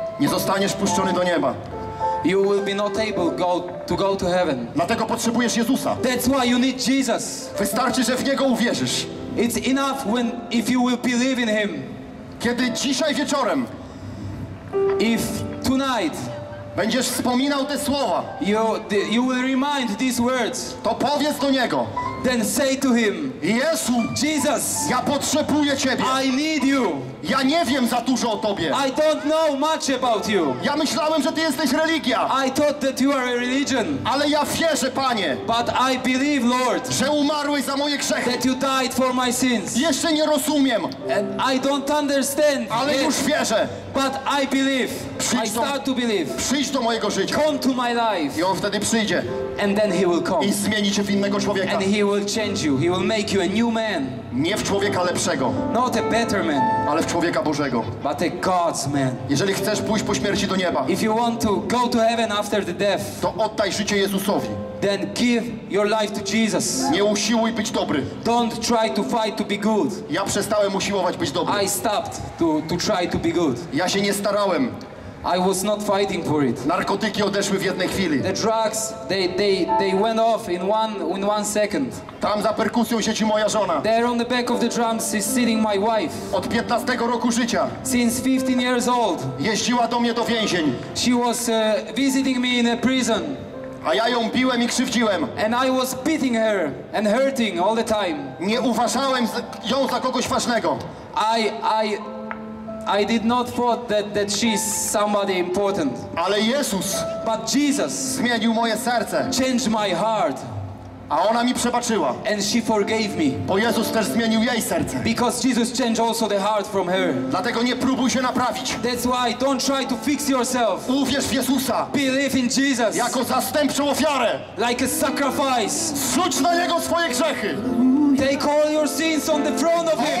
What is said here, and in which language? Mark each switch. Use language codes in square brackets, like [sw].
[pl] Nie zostaniesz puszczony do nieba. [en] You will be not able to go to heaven. [pl] Dlatego potrzebujesz Jezusa. [en] That's why you need Jesus. [pl] Wystarczy, że w niego uwierzysz. [en] It's enough when if you will believe in him. [pl] Kiedy dzisiaj wieczorem. [en] If tonight. [pl] Będziesz wspominał te słowa. [en] You will remind these words. [pl] To powiedz do niego. [en] Then say to him, [pl] Jezu, [en] Jesus, [pl] ja potrzebuję Ciebie. [en] I need you. [pl] Ja nie wiem za dużo o Tobie. [en] I don't know much about you. [pl] Ja myślałem, że Ty jesteś religia. [en] I thought that you are a religion. [pl] Ale ja wierzę, Panie, [en] but I believe, Lord, [pl] że umarłeś za moje grzechy. [en] That you died for my sins. [pl] Jeszcze nie rozumiem. [en] And I don't understand. [pl] Ale już wierzę. [en] But I believe. [pl] Przyjdź, [en] I start to believe. [pl] Przyjdź do mojego życia. [en] Come to my life. [pl] I on wtedy przyjdzie. [en] And then he will come. [pl] I zmieni cię w innego człowieka. [en] And he will change you. He will make you a new man. [pl] Nie w człowieka lepszego. [en] Not a better man. [pl] Ale w człowieka Bożego. [en] But a God's man. [pl] Jeżeli chcesz pójść po śmierci do nieba. [en] If you want to go to heaven after the death. [pl] To oddaj życie Jezusowi. [en] Then give your life to Jesus. [pl] Nie usiłuj być dobry. [en] Don't try to fight to be good. [pl] Ja przestałem usiłować być dobry. [en] I stopped to try to be good. [pl] Ja się nie starałem. [en] I was not fighting for it. [pl] Narkotyki odeszły w jednej chwili. [en] The drugs, they went off in one second. [pl] Tam za perkusją siedzi moja żona. [en] There on the back of the drums is sitting my wife. [pl] Od 15 roku życia. [en] Since 15 years old. [pl] Jeździła do mnie do więzień. [en] She was visiting me in a prison. [pl] A ja ją biłem i krzywdziłem. [en] And I was beating her and hurting all the time. [pl] Nie uważałem ją za kogoś ważnego. [en] I did not thought that she's somebody important. [pl] Ale Jezus, [en] but Jesus, [pl] zmienił moje serce. [en] Changed my heart. [pl] A ona mi przebaczyła. [en] And she forgave me. [pl] Bo Jezus też zmienił jej serce. [en] Because Jesus changed also the heart from her. [pl] Dlatego nie próbuj się naprawić. [en] That's why don't try to fix yourself. [pl] Uwierz w Jezusa. [en] Believe in Jesus. [pl] Jako zastępczą ofiarę. [en] Like a sacrifice. [pl] Zrzuć na Niego swoje grzechy. [en] Take all your sins on the front of Him.